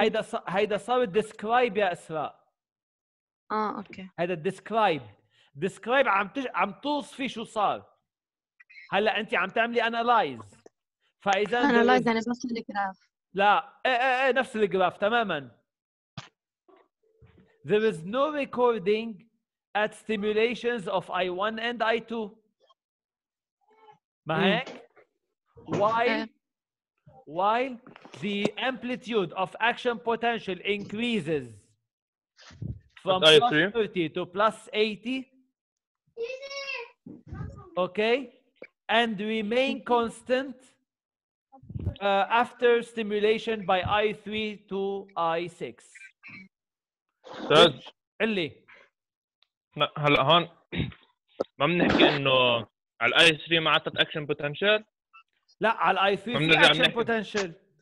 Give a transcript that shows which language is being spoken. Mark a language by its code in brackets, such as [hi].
[ar] هيدا هيدا صار describe يا اسراء. اه اوكي هيدا describe عم توصفي شو صار. هلا انت عم تعملي analyze فاذا analyze يعني بس الجراف. لا ايه نفس الجراف تماما. [en] There is no recording at stimulations of I1 and I2. ما هيك؟ While the amplitude of action potential increases from +30 to +80. Okay. And remain constant after stimulation by I3 to I6. [ar] استاذ اللي هلا هون ما بنحكي انه على الاي 3 ما عطت اكشن بوتنشال. لا على الاي 3 في اكشن بوتنشال